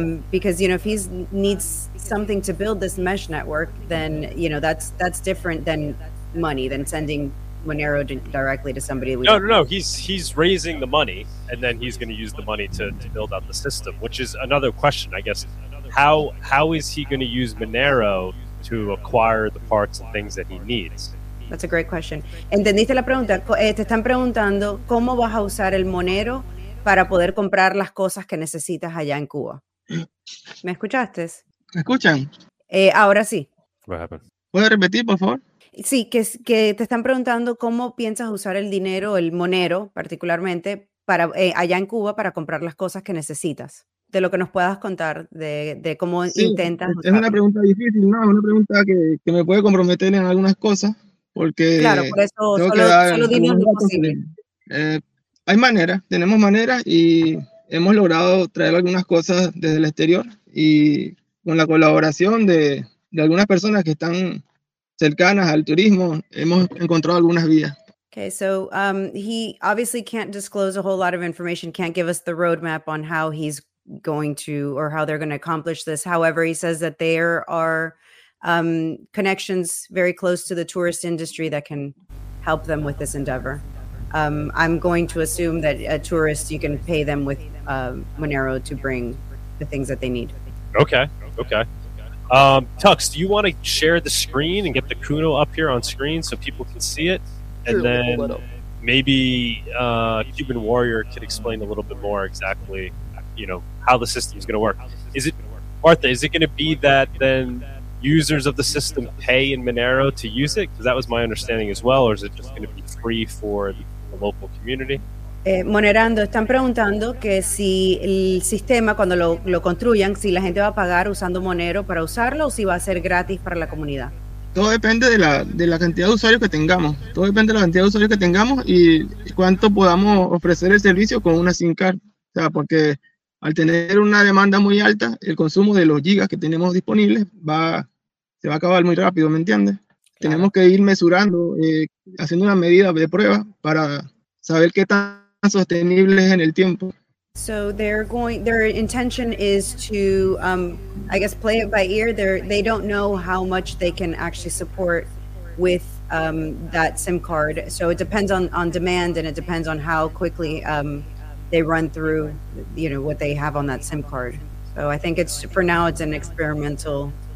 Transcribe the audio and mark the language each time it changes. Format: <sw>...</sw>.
<en>Because you know, if he needs something to build this mesh network, then you know that's different than money, than sending Monero directly to somebody. No. He's raising the money, and then he's going to use the money to build out the system, which is another question, I guess. How is he going to use Monero to acquire the parts and things that he needs? That's a great question.</en> <es>¿Entendiste la pregunta? Te están preguntando cómo vas a usar el Monero para poder comprar las cosas que necesitas allá en Cuba. ¿Me escuchaste? ¿Me escuchan? Ahora sí.</es> <en>What happened?</en> <es>¿Puedes repetir, por favor? Sí, que te están preguntando cómo piensas usar el dinero, el Monero particularmente, para allá en Cuba para comprar las cosas que necesitas. De lo que nos puedas contar, de cómo sí, intentas usar. Es una pregunta difícil, ¿no? Es una pregunta que me puede comprometer en algunas cosas, porque... Claro, por eso solo dime lo posible. Hay maneras, tenemos maneras y hemos logrado traer algunas cosas desde el exterior y con la colaboración de algunas personas que están cercanas al turismo, hemos encontrado algunas vías.</es> <en>Okay, so he obviously can't disclose a whole lot of information, can't give us the roadmap on how he's going to or how they're going to accomplish this. However, he says that there are connections very close to the tourist industry that can help them with this endeavor. I'm going to assume that a tourist, you can pay them with Monero to bring the things that they need. Okay. Tux, do you want to share the screen and get the Kuno up here on screen so people can see it? And then maybe Cuban Warrior could explain a little bit more exactly, you know, how the system is going to work. Is it, Martha, is it going to be that then users of the system pay in Monero to use it? Because that was my understanding as well. Or is it just going to be free for the local community?</en> <es>Monerando, están preguntando que si el sistema, cuando lo construyan, si la gente va a pagar usando Monero para usarlo o si va a ser gratis para la comunidad. Todo depende de la cantidad de usuarios que tengamos. Todo depende de la cantidad de usuarios que tengamos y cuánto podamos ofrecer el servicio con una SIM card. O sea, porque al tener una demanda muy alta, el consumo de los gigas que tenemos disponibles se va a acabar muy rápido, ¿me entiendes? Claro. Tenemos que ir mesurando, haciendo una medida de prueba para saber qué tan sostenible es en el tiempo.</es> <en>So their intention is to, I guess, play it by ear. They don't know how much they can actually support with that SIM card. So it depends on demand and it depends on how quickly they run through, you know, what they have on that SIM card. So I think it's, for now, it's an experimental.</en>